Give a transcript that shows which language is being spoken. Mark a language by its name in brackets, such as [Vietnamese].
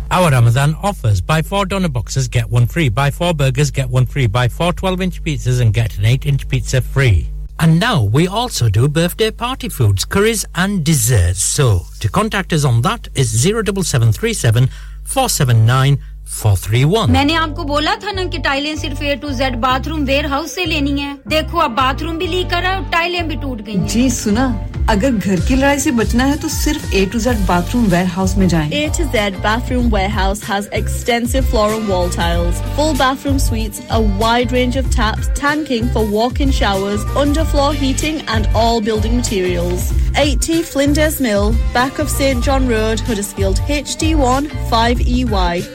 [English] Our Ramadan offers: buy four doner boxes, get one free. Buy four burgers, get one free. Buy four 12-inch pizzas and get an 8-inch pizza free. And now we also do birthday party foods, curries and desserts. So to contact us on that is 07737 479 431. [Hindi] मैंने आपको बोला था ना कि टाइलें सिर्फ A to Z bathroom warehouse से लेनी है. देखो अब बाथरूम भी लीक कर रहा है और टाइलें भी टूट गई हैं. जी सुना, अगर घर की लड़ाई से बचना है तो सिर्फ A to Z bathroom warehouse में जाएं. [English] A to Z bathroom warehouse has extensive floor and wall tiles, full bathroom suites, a wide range of taps, tanking for walk-in showers, underfloor heating and all building materials. 80 Flinders Mill, back of St John Road, Huddersfield, HD1 5EY.